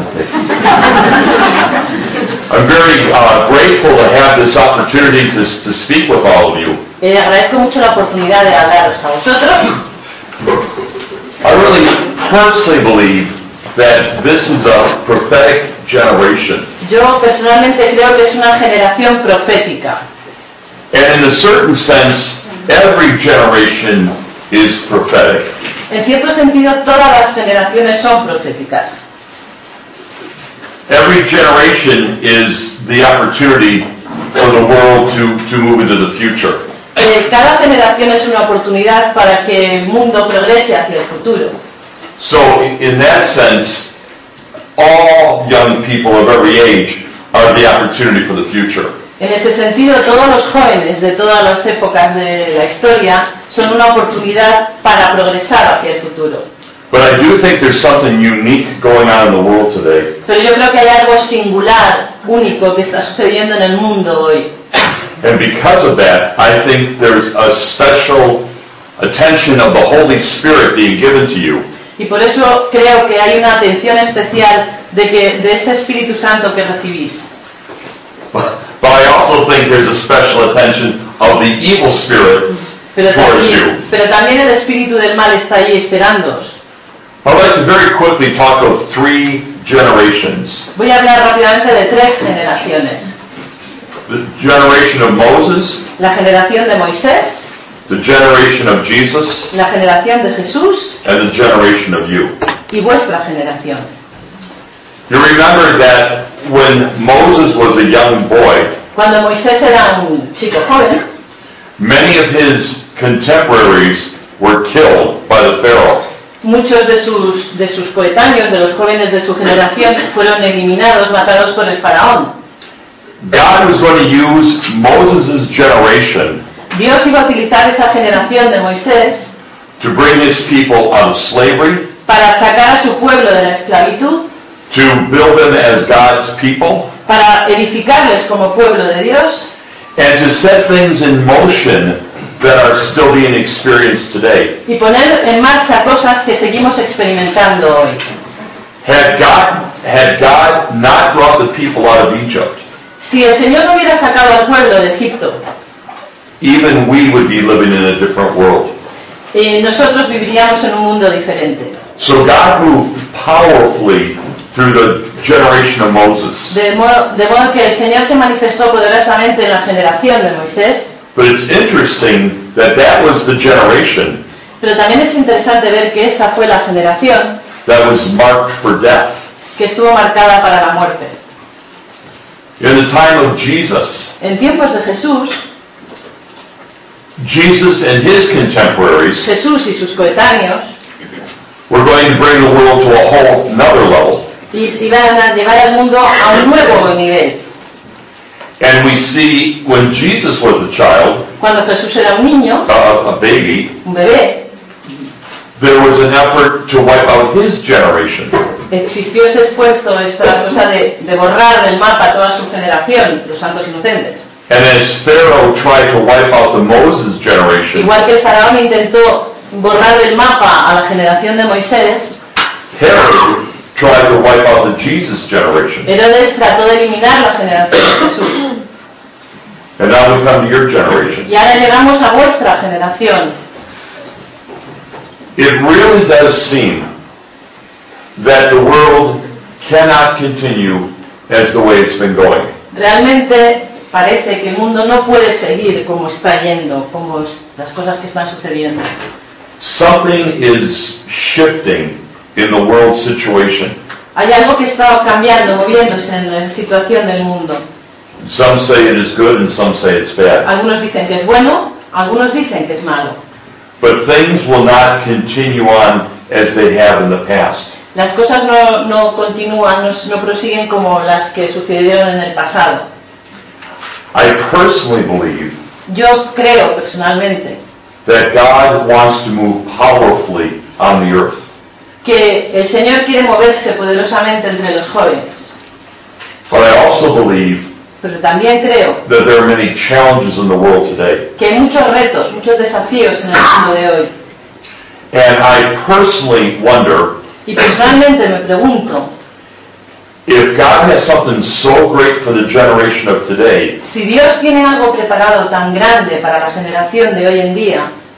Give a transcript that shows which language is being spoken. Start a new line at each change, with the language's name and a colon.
English: okay. I'm very grateful to have this opportunity to speak with all of you. I really personally believe that this is a prophetic generation.
Spanish: Yo personalmente creo que es una generación profética.
English: And in a certain sense, every generation is prophetic.
Spanish: En cierto sentido, todas las generaciones son proféticas.
English: Every generation is the opportunity for the world to move into the future.
Spanish: Cada generación es una oportunidad para que el mundo progrese hacia el futuro.
English: So, in that sense, all young people of every age are the opportunity for the future.
Spanish: En ese sentido, todos los jóvenes de todas las épocas de la historia son una oportunidad para progresar hacia el futuro.
English: But I do think there's something unique going on in the world today.
Spanish: Pero yo creo que hay algo singular, único, que está sucediendo en el mundo hoy.
English: And because of that, I think there's a special attention of the Holy Spirit being given to you.
Spanish: Y por eso creo que hay una atención especial de ese Espíritu Santo que recibís.
English: But I also think there's a special attention of the evil spirit towards you.
Spanish: Pero también el espíritu del mal está ahí esperándoos.
English: I'd like to very quickly talk of three generations.
Spanish: Voy a hablar rápidamente de tres generaciones.
English: The generation of Moses.
Spanish: La generación de Moisés.
English: The generation of Jesus.
Spanish: La generación de Jesús.
English: And the generation of you.
Spanish: Y vuestra generación.
English: You remember that when Moses was a young boy,
Spanish: cuando Moisés era un chico joven,
English: many of his contemporaries were killed by the Pharaoh.
Spanish: Muchos de sus coetáneos, de los jóvenes de su generación, fueron eliminados, matados por el faraón.
English: God was going to use Moses' generation.
Spanish: Dios iba a utilizar esa generación de Moisés
English: to bring his people out of slavery,
Spanish: para sacar a su pueblo de la esclavitud,
English: to build them as God's people,
Spanish: para edificarles como pueblo de Dios,
English: and to set things in motion that are still being experienced today.
Spanish: Y poner en marcha cosas que seguimos experimentando hoy.
English: Had God not brought the people out of Egypt,
Spanish: si el Señor no hubiera sacado al pueblo de Egipto,
English: even we would be living in a different world.
Spanish: Y nosotros viviríamos en un mundo diferente.
English: So God moved powerfully through the generation of Moses.
Spanish: De modo que el Señor se manifestó poderosamente en la generación de Moisés.
English: But it's interesting that that was the generation.
Spanish: Pero también es interesante ver que esa fue la generación
English: that was marked for death.
Spanish: Que estuvo marcada para la muerte.
English: In the time of Jesus.
Spanish: En tiempos de Jesús.
English: Jesus and his contemporaries,
Spanish: Jesús y sus coetáneos,
English: were going to bring the world to a whole another level.
Spanish: Iban a llevar al mundo a un nuevo nivel.
English: And we see when Jesus was a child,
Spanish: cuando Jesús era un niño,
English: a baby,
Spanish: un bebé,
English: there was an effort to wipe out his generation.
Spanish: existió este esfuerzo, esta cosa de borrar del mapa toda su generación, los santos inocentes.
English: And as Pharaoh tried to wipe out the Moses generation,
Spanish: igual que el faraón intentó borrar del mapa a la generación de Moisés,
English: Herod tried to wipe out the Jesus generation.
Spanish: Herodes trató de eliminar la generación de Jesús.
English: And now we come to your generation.
Spanish: Y ahora llegamos a vuestra generación.
English: It really does seem that the world cannot continue as the way it's been going.
Spanish: Realmente parece que el mundo no puede seguir como está yendo, como las cosas que están sucediendo.
English: Something is shifting in the world situation.
Spanish: Hay algo que está cambiando, moviéndose en la situación del mundo.
English: Some say it is good and some say it's bad.
Spanish: Algunos dicen que es bueno, algunos dicen que es malo.
English: But things will not continue on as they have in the past.
Spanish: Las cosas no continúan, no prosiguen como las que sucedieron en el pasado.
English: I personally believe.
Spanish: Yo creo personalmente.
English: That God wants to move powerfully on the earth.
Spanish: Que el Señor quiere moverse poderosamente entre los jóvenes.
English: But I also believe.
Spanish: Pero también creo.
English: That there are many challenges in the world today.
Spanish: Que hay muchos retos, muchos desafíos en el mundo de hoy.
English: And I personally wonder.
Spanish: Y personalmente me pregunto.
English: If God has something so great for the generation of today,
Spanish: si Dios tiene algo preparado tan grande para la generación de hoy en día,